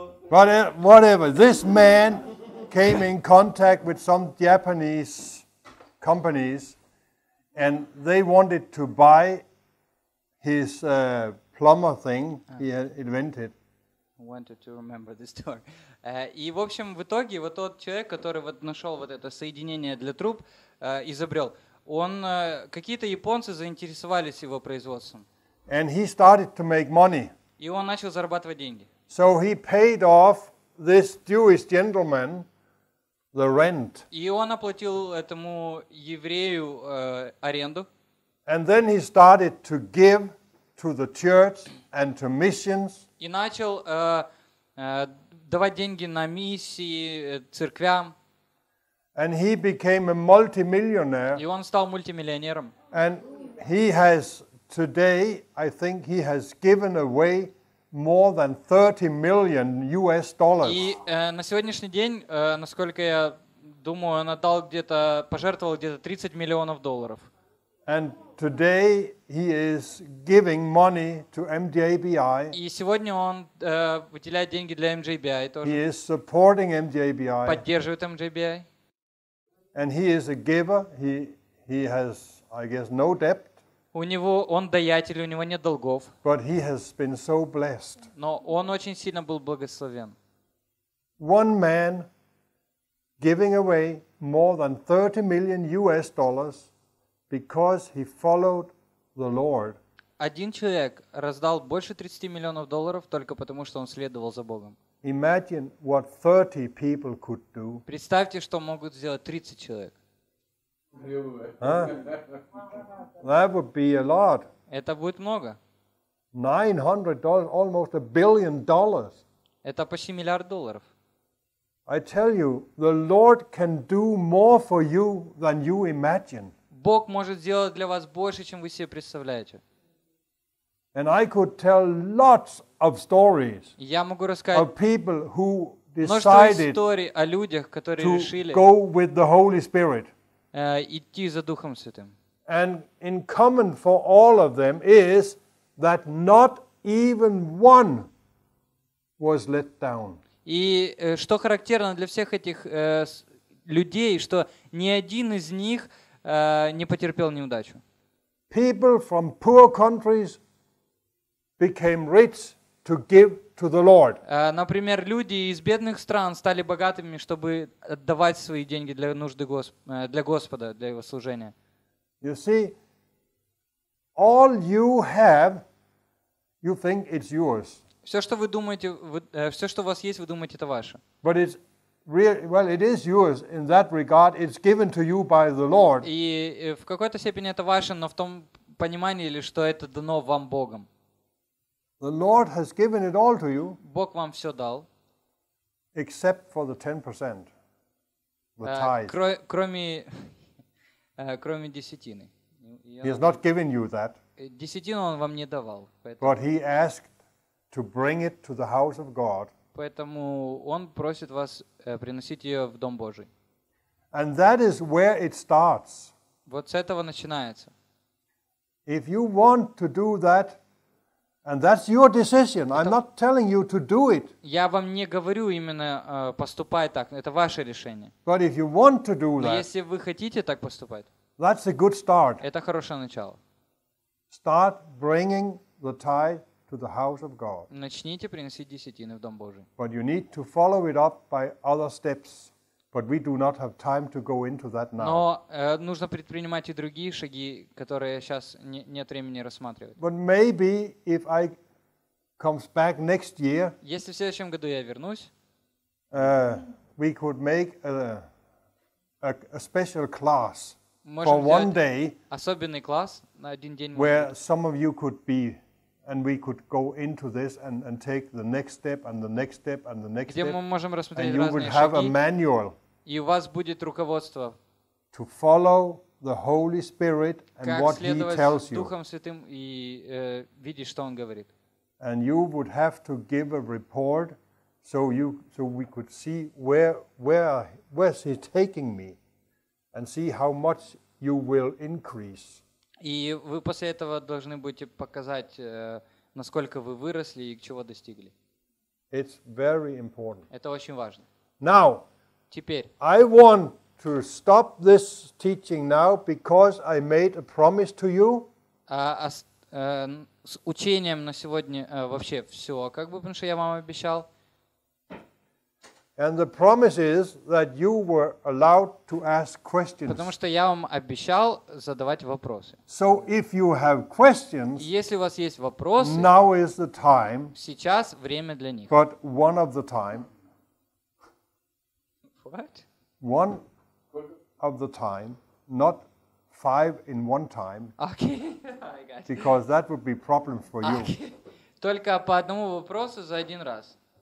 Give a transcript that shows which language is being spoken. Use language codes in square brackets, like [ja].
[en] But whatever, this man came in contact with some Japanese companies, and they wanted to buy his plumber thing he had invented. Wanted to remember the story. [ru] И в общем, в итоге, вот тот человек, который вот нашел вот это соединение для труб, изобрел, он какие-то японцы заинтересовались его производством. [en] And he started to make money. [ru] И он начал зарабатывать деньги. [en] So he paid off this Jewish gentleman the rent. [ru] И он оплатил этому еврею аренду. [en] And then he started to give to the church and to missions. [ru] И начал давать деньги на миссии, церквям. [en] And he became a multimillionaire. [ru] И он стал мультимиллионером. [en] And he has today, I think he has given away more than 30 million US dollars. [ru] И на сегодняшний день, насколько я думаю, он отдал где-то, пожертвовал где-то 30 миллионов долларов. [en] And today he is giving money to MJBI. [ru] И сегодня он выделяет деньги для MJBI тоже. [en] He is supporting MJBI. [ru] Поддерживает MJBI. [en] And he is a giver. He has, I guess, no debt. [ru] У него он даятель, у него нет долгов. [en] But he has been so blessed. [ru] Но он очень сильно был благословен. [en] One man giving away more than 30 million US dollars. Because he followed the Lord. [ru] Один человек раздал больше 30 миллионов долларов только потому, что он следовал за Богом. [en] Imagine what 30 people could do. [ru] Представьте, что могут сделать 30 человек. [en] That would be a lot. [ru] Это будет много. [en] $900, almost $1 billion. [ru] Это почти миллиард долларов. [en] I tell you, the Lord can do more for you than you imagine. [ru] Бог может сделать для вас больше, чем вы себе представляете. [en] And I could tell lots of stories. [ru] Я могу рассказать [en] of people who [ru] истории о людях, которые [en] to [ru] решили [en] go with the Holy Spirit. [ru] Идти за Духом Святым. [en] And in common for all of them is that not even one was let down. [ru] И что характерно для всех этих людей, что ни один из них не потерпел неудачу. [en] People from poor countries became rich to give to the Lord. [ru] Например, люди из бедных стран стали богатыми, чтобы отдавать свои деньги для нужды для Господа, для его служения. [en] You see, all you have, you think it's yours. [ru] Все, что вы думаете, все, что у вас есть, вы думаете, это ваше. [en] But it's well, it is yours in that regard. It's given to you by the Lord. [ru] И в какой-то степени это ваше, но в том понимании ли, что это дано вам Богом. [en] The Lord has given it all to you. [ru] Бог вам все дал. [en] Except for the 10%. The tithe. [ru] Кроме десятины. [en] He has not given you that. [ru] Десятину он вам не давал. [en] But he asked to bring it to the house of God. [ru] Поэтому он просит вас приносить ее в Дом Божий. [en] And that is where it starts. [ru] Вот с этого начинается. [en] If you want to do that, and that's your decision, I'm not telling you to do it. [ru] Я вам не говорю именно поступать так, это ваше решение. [en] But if you want to do that, [ru] если вы хотите так поступать, [en] that's a good start. [ru] Это хорошее начало. [en] Start bringing the tithe to the house of God. [ru] Начните приносить десятины в Дом Божий. [en] But you need to follow it up by other steps. But we do not have time to go into that now. [ru] Но нужно предпринимать и другие шаги, которые я сейчас нет времени рассматривать. [en] But maybe if I comes back next year. [ru] Если в следующем году я вернусь. [en] We could make a special class for one day. [ru] Особенный класс на один день. [en] Where some of you could be. And we could go into this and take the next step and the next step and the next step. And you would have a manual. [ru] И у вас будет руководство. [en] To follow the Holy Spirit and what He tells you. [ru] Духом Святым и видеть, что Он говорит. [en] And you would have to give a report, so we could see where is He taking me, and see how much you will increase. [ru] И вы после этого должны будете показать, насколько вы выросли и чего достигли. [en] It's very important. [ru] Это очень важно. [en] Now, [ru] теперь, [en] I want to stop this teaching now because I made a promise to you. [ru] С учением на сегодня вообще все, как бы, потому что я вам обещал. [en] And the promise is that you were allowed to ask questions. [ru] Потому что я вам обещал задавать вопросы. [en] So if you have questions, [ru] если у вас есть вопросы, [en] now is the time. [ru] Сейчас время для них. [en] But one of the time. What? One of the time, not five in one time. Okay. Because that would be problem for you. [ru] Только по одному вопросу за один раз.